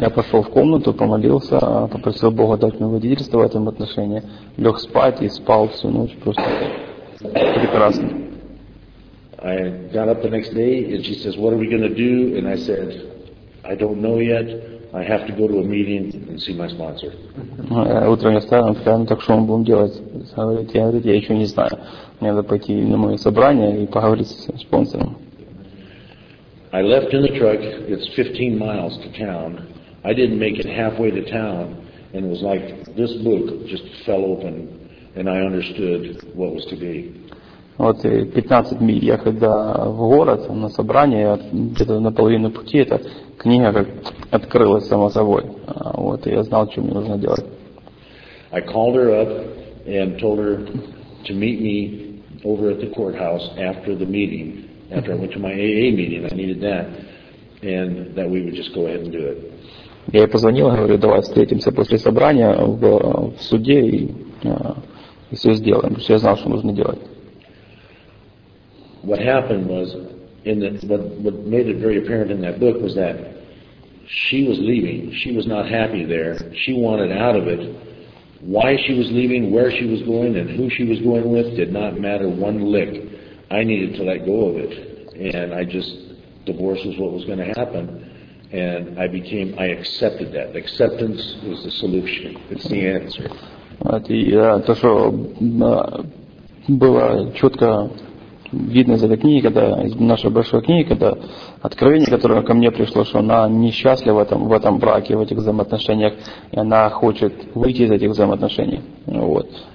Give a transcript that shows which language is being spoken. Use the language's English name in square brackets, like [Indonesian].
[Russian] Я пошел в комнату, помолился, попросил Бога дать мне водительство в этом отношении. Лег спать и спал всю ночь просто прекрасно. [English] I got up the next day and she says, "What are we going to do?" And I said, "I don't know yet. I have to go to a meeting and see my sponsor." [Russian] Утром я встал, сказал, так что мы будем делать? Говорит, я еще не знаю. Мне надо пойти на мое собрание и поговорить с спонсором. [English] I left in the truck. It's 15 miles to town. I didn't make it halfway to town, and it was like this book just fell open, and I understood what was to be. [Russian] Вот 15 миль я когда в город на собрание, где-то на половину пути эта книга как открылась само собой. Вот, и я знал, что мне нужно делать. [English] I called her up and told her to meet me over at the courthouse after the meeting, after I went to my AA meeting, I needed that, and that we would just go ahead and do it. [Russian] Я ей позвонил, говорю, давай встретимся после собрания в суде и все сделаем. Все, я знал, что нужно делать. [English] What happened was, what made it very apparent in that book was that she was leaving. She was not happy there. She wanted out of it. Why she was leaving, where she was going, and who she was going with did not matter one lick. I needed to let go of it. And I just, divorce was what was going to happen. And I accepted that. Acceptance was the solution. It's the answer. [Russian] То, что было четко видно из этой книги, когда из нашей большой книги, когда откровение, которое ко мне пришло, что она несчастлива в этом браке, в этих взаимоотношениях, и она хочет выйти из этих взаимоотношений. Вот.